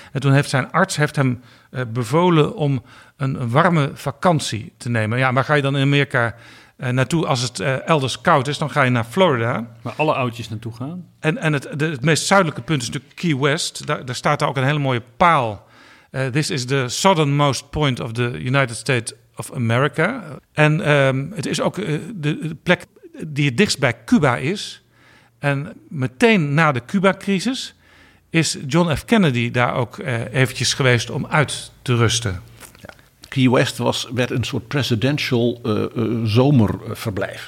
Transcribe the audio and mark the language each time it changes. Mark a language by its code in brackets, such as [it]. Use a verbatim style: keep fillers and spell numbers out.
[nl] En toen heeft zijn arts heeft hem uh, bevolen om een, een warme vakantie te nemen. Ja, maar ga je dan in Amerika uh, naartoe als het uh, elders koud is? Dan ga je naar Florida. Waar alle oudjes naartoe gaan. En, en het, de, het meest zuidelijke punt is natuurlijk Key West. Daar, daar staat daar ook een hele mooie paal. [en] Uh, this is the southernmost point of the United States of America. [nl] En um, het is ook uh, de, de plek die het dichtst bij Cuba is... En meteen na de Cuba-crisis is John F. Kennedy daar ook eh, eventjes geweest om uit te rusten. Ja. Key West was, werd een soort presidential uh, uh, zomerverblijf.